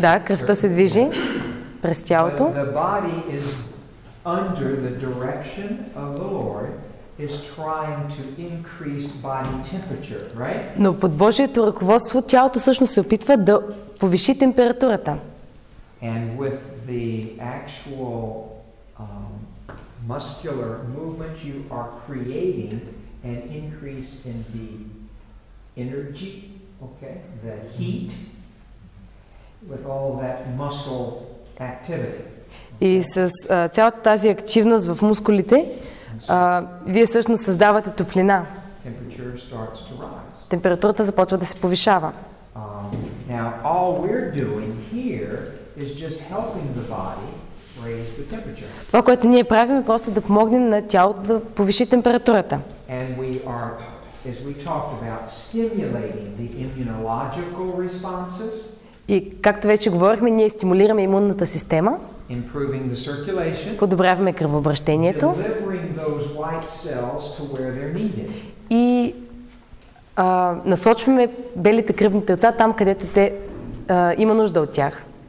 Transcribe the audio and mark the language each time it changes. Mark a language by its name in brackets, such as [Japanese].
[Bulgarian] Да, кръвта се движи през тялото. [English] The body is under the direction of the Lord, is trying to increase body temperature, right? [Bulgarian] Но под Божието ръководство тялото всъщност се опитва да повиши температурата. [English] And with the actual muscular movement you are creating an increase in the energy. Okay, the heat with all that muscle activity. [Bulgarian] И с цялата тази активност в мускулите, вие всъщност създавате топлина. [English] Temperature starts to rise. [Bulgarian] Температурата започва да се повишава. [English] Now all we're doing here is just helping the body raise the temperature. [Bulgarian] Това, което ние правим, е просто да помогнем на тялото да повиши температурата. [English] And we are, as we talked about, stimulating the immunological responses. [Bulgarian] И както вече говорихме, ние стимулираме имунната система, [English] improving the circulation, [Bulgarian] подобряваме кръвообращението, [English] delivering those white cells to where they're needed. [Bulgarian] И насочваме белите кръвни телца там, където те има нужда от тях.